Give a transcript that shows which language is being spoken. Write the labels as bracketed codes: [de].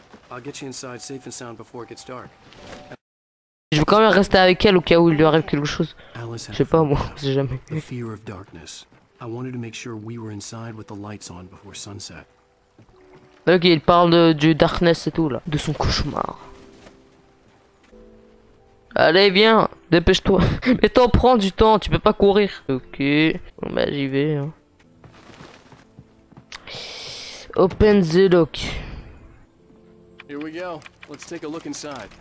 [en] I'll get you inside safe and sound before it gets dark. [fr] Je veux quand même rester avec elle au cas où il lui arrive quelque chose. Je sais pas, moi, je sais jamais. [en] The fear of darkness. I wanted to make sure we were inside with the lights on before sunset. [fr] Ok, il parle du darkness et tout là, de son cauchemar. Allez, viens, dépêche-toi. Mais t'en prends du temps, tu peux pas courir. Ok, bon bah j'y vais. Hein. [en] Open the lock. Here we go. Let's take a look inside.